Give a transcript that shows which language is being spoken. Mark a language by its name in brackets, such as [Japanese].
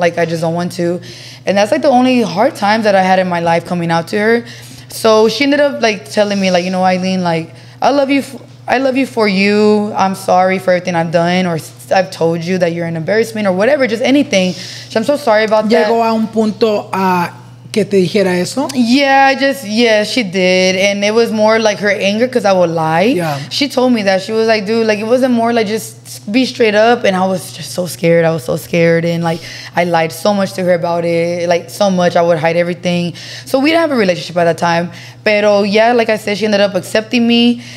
[English] Like, I just don't want to. And that's, like, the only hard times that I had in my life coming out to her. So she ended up, like, telling me, like, you know, Ailyn, like, I love you for you. I'm sorry for everything I've done or I've told you that you're an embarrassment or whatever, just anything. So I'm so sorry about that. [Spanish] Llegó a un punto a que te dijera eso? [English] She did. And it was more, like, her anger because I would lie. Yeah. She told me that. She was like, dude, like, it wasn't more, like, just be straight up. And I was just so scared. I was so scared. And, like, I lied so much to her about it. Like, so much. I would hide everything. So we didn't have a relationship at that time. Pero, yeah, like I said, she ended up accepting me.